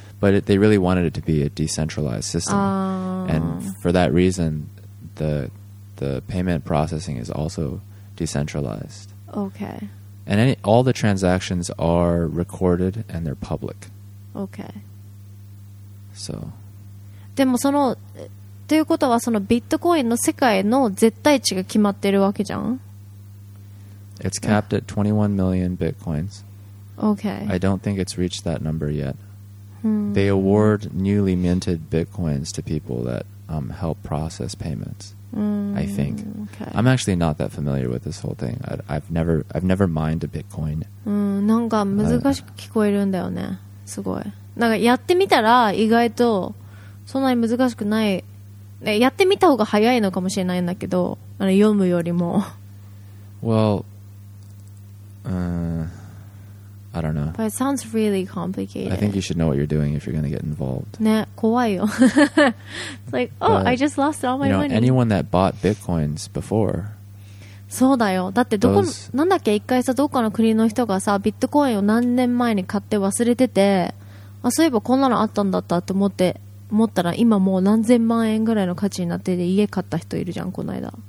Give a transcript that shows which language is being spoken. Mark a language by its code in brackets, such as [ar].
[en] But they really wanted it to be a decentralized system. And for that reason, the payment processing is also decentralized. Okay. And all the transactions are recorded and they're public. Okay. So. [ja] でもその、ということはそのビットコインの世界の絶対値が決まってるわけじゃん? [en] It's capped at 21 million bitcoins. Okay. I don't think it's reached that number yet. Hmm. They award newly minted bitcoins to people that help process payments, I think. Okay. I'm actually not that familiar with this whole thing. I've never mined a bitcoin. [ja] なんか難しく聞こえるんだよね。すごい。なんかやってみたら意外とそんなに難しくない。やってみた方が早いのかもしれないんだけど、あの読むよりも。 [en] Well, I don't know. But it sounds really complicated. I think you should know what you're doing if you're going to get involved. [ja] ね、怖いよ。 [en] It's like, oh, but, I just lost all my money. Anyone that bought bitcoins before. [ja] そうだよ。だってどこ、なんだっけ、一回さ、どっかの国の人がさ、ビットコインを何年前に買って忘れてて、あ、そういえばこんなのあったんだったって思ったら、今もう何千万円ぐらいの価値になってて、家買った人いるじゃん、この間。